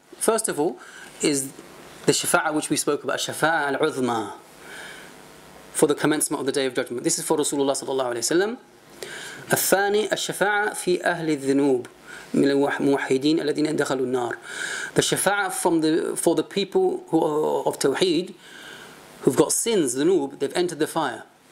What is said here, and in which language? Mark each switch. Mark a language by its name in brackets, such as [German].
[English] First of all, is the shafa'ah which we spoke about, shafa'ah al-uzma, for the commencement of the Day of Judgment. This is for Rasulullah sallallahu alayhi wa sallam. [Arabic] الثاني الشفاعه في اهل الذنوب من الموحدين الذين دخلوا النار. [English] The shafa'ah for the people who are of tawheed, who've got sins, dhunub, they've entered the fire.